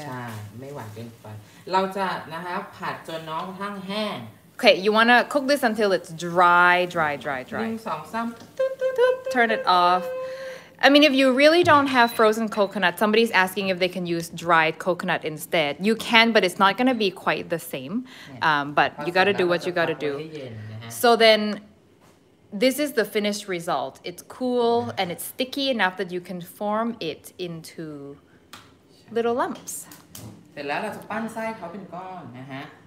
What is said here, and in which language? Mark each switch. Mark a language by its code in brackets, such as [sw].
[th] ใช่ไม่หวานเกินไปเราจะนะคะผัดจนน้องทั้งแห้ง [en] Okay, you want to cook this until it's dry. 1 2 3 Turn it off. I mean, if you really don't have frozen coconut, somebody's asking if they can use dried coconut instead. You can, but it's not going to be quite the same. But you got to do what you got to do. So then, this is the finished result. It's cool and it's sticky enough that you can form it into little lumps. [th] เสร็จแล้วเราจะปั้นไส้เขาเป็นก้อนนะฮะ